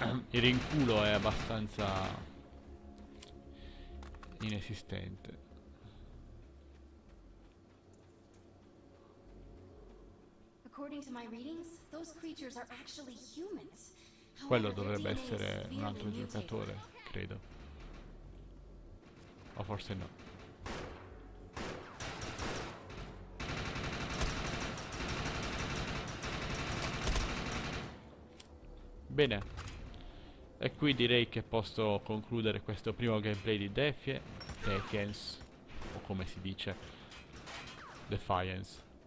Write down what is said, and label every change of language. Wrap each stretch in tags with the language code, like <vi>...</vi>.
<it>Il rinculo è abbastanza inesistente.</it> <en>According to my readings, those creatures are actually humans.</en> <it>Quello dovrebbe essere un altro giocatore, credo. O forse no. Bene. E qui direi che posso concludere questo primo gameplay di Defiance, o come si dice, Defiance.</it>